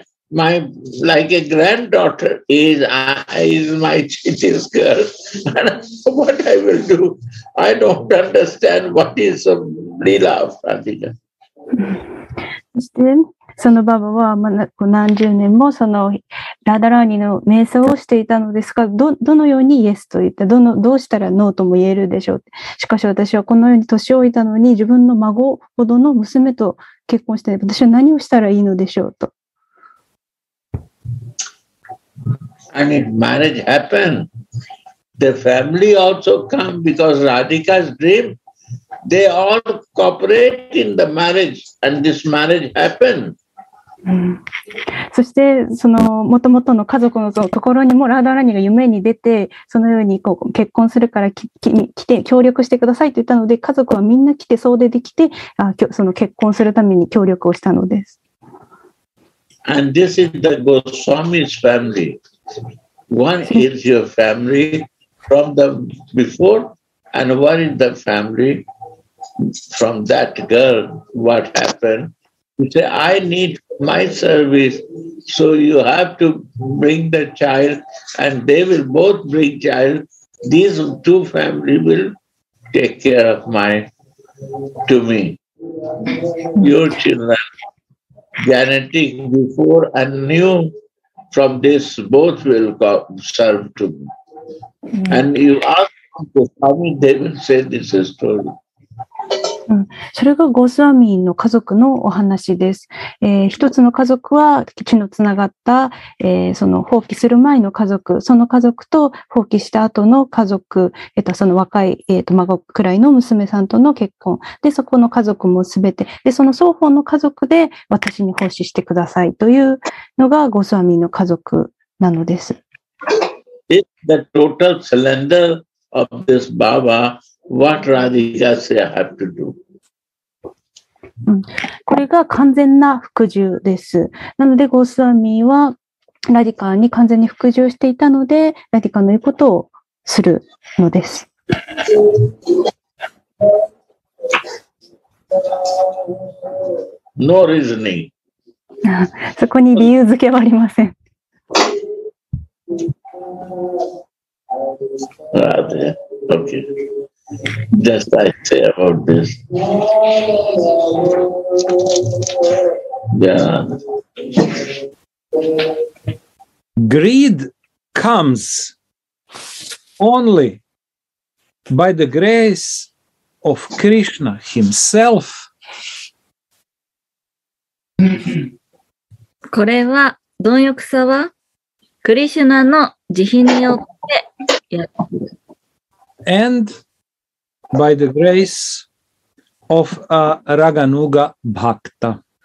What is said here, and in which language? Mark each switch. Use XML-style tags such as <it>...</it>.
<en>My granddaughter is my chichi's girl. And what I will do? I don't understand what is a lila of Radhika.</en> <ja>そしてそのババは何十年もそのラダラーニの瞑想をしていたのですが、どのようにイエスと言って、どうしたらノーとも言えるでしょう。しかし私はこのように年老いたのに、自分の孫ほどの娘と結婚して、私は何をしたらいいのでしょうと。</ja> <en>And if marriage happened, the family also come because Radhika's dream, they all cooperate in the marriage and this marriage happened.</en> <ja>そしてそのもともとの家族のところにもラダラニが夢に出て、そのようにこう結婚するから来て協力してくださいと言ったので、家族はみんな来て総出できて、その結婚するために協力をしたのです。</ja> <en>And this is the Goswami's family. One is your family from the before and one is the family from that girl. What happened? You say, I need my service, so you have to bring the child and they will both bring child. These two families will take care of me. Your children, genetic before and new from this, both will serve to me. And you ask the family, they will say this story.</en> <ja>うん、それがゴスワミの家族のお話です。一つの家族は血のつながった、その放棄する前の家族、その家族と放棄した後の家族、その若い、孫くらいの娘さんとの結婚で、そこの家族もすべてで、その双方の家族で私に奉仕してくださいというのがゴスワミの家族なのです。</ja> <en>It's the total surrender of this BabaWhat Radhika say I have to do?、</en> <ja>うん、これが完全な服従です。なのでゴースワミはラディカに完全に服従していたので、ラディカの言うことをするのです。</ja> <en>No reasoning.</en> <ja>そこに理由付けはありません。</ja> <en>Radhika, okay. Just I say about this. Yeah. Greed comes only by the grace of Krishna himself.</en> <ja>これは貪欲さはクリシュナの慈悲によってやる。</ja> <en>Andby the grace of a Raganuga Bhakta.</en>